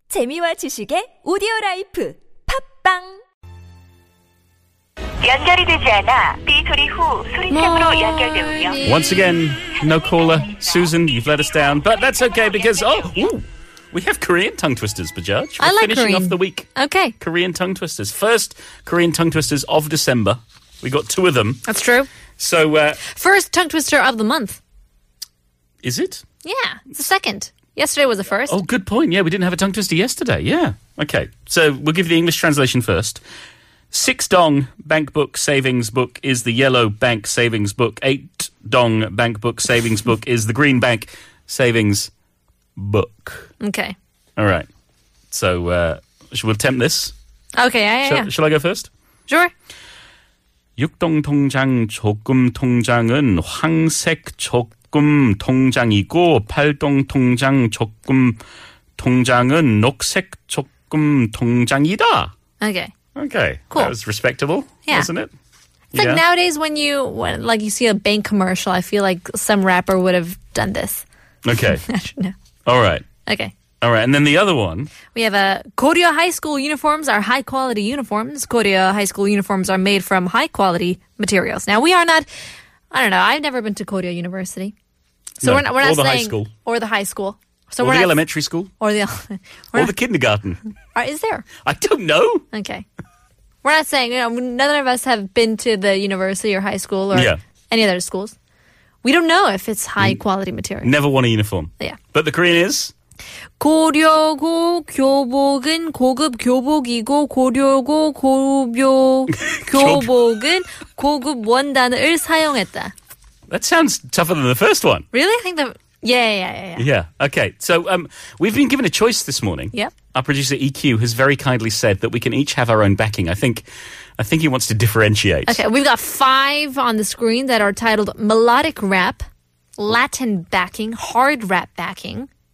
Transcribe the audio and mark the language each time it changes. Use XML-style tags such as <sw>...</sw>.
<ko>재미와 지식의 오디오라이프 팝빵 연결이 되지 않아 삐소리 후 소리참으로 연결되고요.</ko> <en>Once again, no caller. Susan, you've let us down. But that's okay because, we have Korean tongue twisters, Bajaj. I like finishing Korean. Off the week. Okay. Korean tongue twisters. First Korean tongue twisters of December. We got two of them. That's true. So, first tongue twister of the month. Is it? Yeah, it's the second. Yesterday was the first. Oh, good point. Yeah, we didn't have a tongue twister yesterday. Yeah. Okay. So we'll give the English translation first. Six dong bank book savings book is the yellow bank savings book. Eight dong bank book savings book is the green bank savings book. Okay. All right. So should we attempt this? Okay. Yeah, shall I go first? Sure.</en> <ko>육동 통장 조금 통장은 황색 적 조금 통장이고 팔동 통장 조금 통장은 녹색 조금 통장이다.</ko> <en>Okay. Okay. Cool. That was respectable, yeah. Wasn't it? It's like nowadays when you you see a bank commercial, I feel like some rapper would have done this. Okay. I don't know. All right. Okay. All right, and then the other one. We have a Korea high school uniforms are high quality uniforms. Korea high school uniforms are made from high quality materials. Now we are not. I don't know. I've never been to Korea University. So no, we're not or the saying, high school. Or the high school. So or we're the not, elementary school. Or the the kindergarten. Is there? I don't know. Okay. We're not saying, none of us have been to the university or high school or any other schools. We don't know if it's high quality material. Never worn a uniform. Yeah. But the Korean is?</en> <ko>고려고 교복은 고급 교복이고 고려고 고려 교복은 고급 원단을 사용했다.</ko> <en>That sounds tougher than the first one. Really? I think the Yeah. Okay. So we've been given a choice this morning. Yeah. Our producer EQ has very kindly said that we can each have our own backing. I think he wants to differentiate. Okay. We've got five on the screen that are titled melodic rap, Latin backing, hard rap backing.</en>